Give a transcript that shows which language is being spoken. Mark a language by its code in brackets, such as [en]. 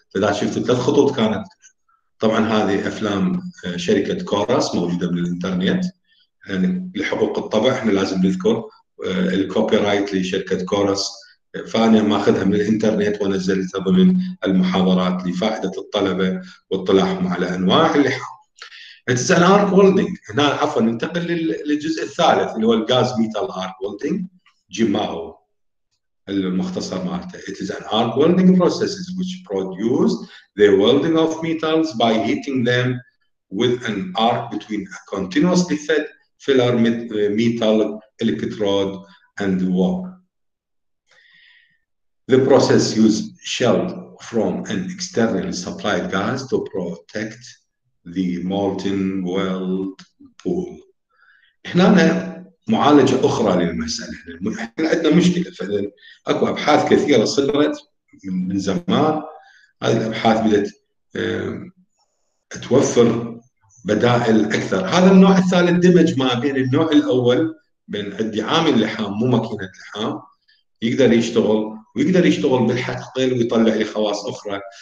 [ar] فاذا شفت ثلاث خطوط كانت، طبعا هذه افلام شركه كوراس موجوده بالانترنت يعني لحقوق الطبع، احنا لازم نذكر الكوبي رايت لشركه كوراس، فانا ماخذها من الانترنت ونزلتها ضمن المحاضرات لفائده الطلبه واطلاعهم على انواع اللحام. [en] It's an arc welding. [ar] هنا عفوا ننتقل للجزء الثالث اللي هو الغاز ميتال arc welding. جماو المختصر مالته. [en] It is an arc welding process which produced the welding of metals by heating them with an arc between a continuously fed filler metal electrode and wire. The process used shield from an externally supplied gas to protect the molten weld pool. [ar] احنا معالجة أخرى للمسألة. إحنا عندنا مشكلة، فإذن أكو أبحاث كثيرة صدرت من زمان، هذه الأبحاث بدأت توفر بدائل أكثر. هذا النوع الثالث دمج ما بين النوع الأول، بين عندي عامل لحام مو ماكينة لحام يقدر يشتغل، ويقدر يشتغل بالحق قليل ويطلع لي خواص أخرى.